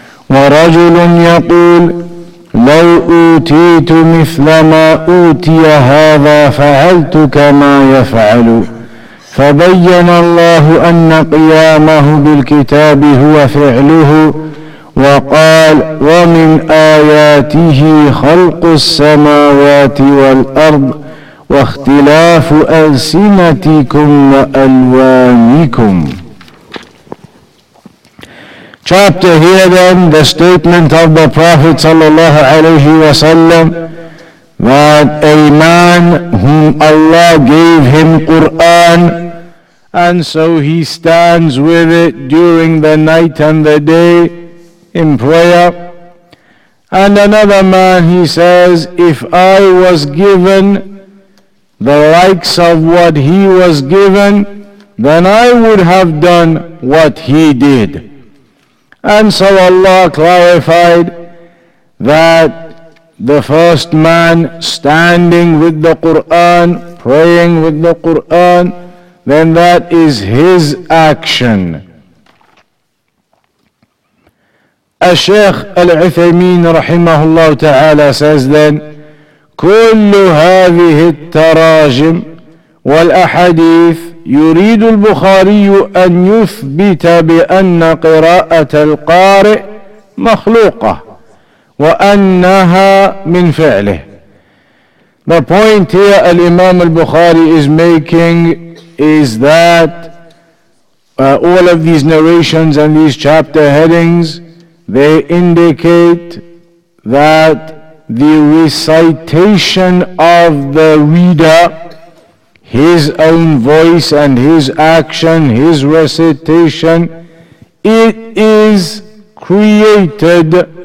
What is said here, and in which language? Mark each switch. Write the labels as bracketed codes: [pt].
[ar] ورجل يقول لو أوتيت مثل ما أوتي هذا فعلت كما يفعل فبين الله أن قيامه بالكتاب هو فعله وقال ومن آياته خلق السماوات والأرض واختلاف ألسنتكم وألوانكم. [en] Chapter here then, the statement of the Prophet sallallahu alayhi wa sallam that a man whom Allah gave him Quran, and so he stands with it during the night and the day in prayer. And another man, he says, if I was given the likes of what he was given, then I would have done what he did. And so Allah clarified that the first man standing with the Quran, praying with the Quran, then that is his action. [ar] الشيخ العثيمين رحمه الله تعالى [en] says then, [ar] كل هذه التراجم والأحاديث يريد البخاري أن يثبت بأن قراءة القارئ مخلوقة وأنها من فعله. [en] The point here الإمام البخاري is making is that all of these narrations and these chapter headings, they indicate that the recitation of the reader, his own voice and his action, his recitation, it is created.